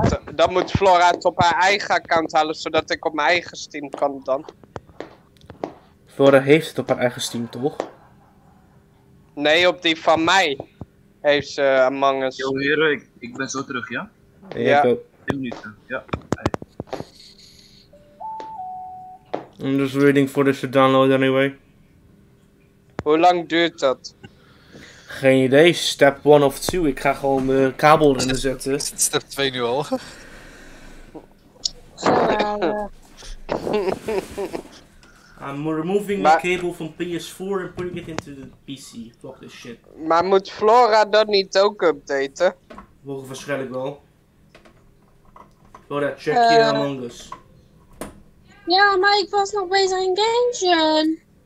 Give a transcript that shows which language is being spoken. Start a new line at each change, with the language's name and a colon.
Dutch: Dan moet Flora het op haar eigen account halen, zodat ik op mijn eigen Steam kan dan. Flora heeft het op haar eigen Steam, toch? Nee, op die van mij heeft ze Among Us. Yo, heren, ik ben zo terug, ja? Ja. 10 minuten, ja.
English: I'm just waiting for this to download anyway.
Dutch: Hoe lang duurt dat? Geen idee,
English: step 1 of 2.
Dutch: Ik ga gewoon de kabel erin zetten.
English: Step 2
Dutch: nu al.
English: I'm removing the cable from PS4 and putting it into the PC. Fuck this shit.
Dutch: Maar moet Flora dat niet ook updaten? Volgens waarschijnlijk wel. Flora, check je Among Us. Ja, maar ik was nog bezig in Genshin.